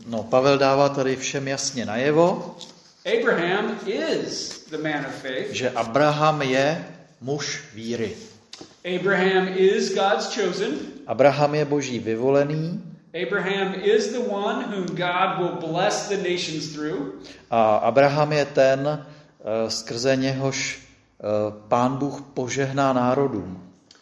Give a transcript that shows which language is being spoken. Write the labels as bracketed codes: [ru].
[cs] Pavel dává tady všem jasně najevo. [en] Abraham is the man of faith. [cs] Že Abraham je muž víry. [en] Abraham is God's chosen. [cs] Abraham je Boží vyvolený. [en] Abraham is the one whom God will bless the nations through. [cs] A Abraham je ten, skrze něhož Pán Bůh požehná národům.